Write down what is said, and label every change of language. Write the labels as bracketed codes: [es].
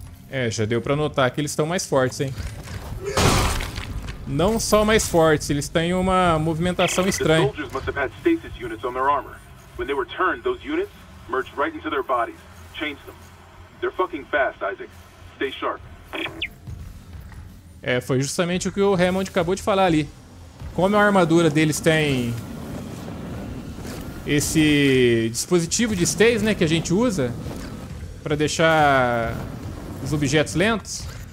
[pt] É, já deu para notar que eles estão mais fortes, hein? Não só mais fortes, eles têm uma movimentação estranha. Os soldados devem ter [en] stasis units on their armor. [pt] Quando eles retornaram, [en] those units merged right into their bodies, changed them. They're fucking fast, Isaac. Stay sharp. [pt] É, foi justamente o que o Hammond acabou de falar ali. Como a armadura deles tem esse dispositivo de stasis, né, que a gente usa para deixar os objetos lentos.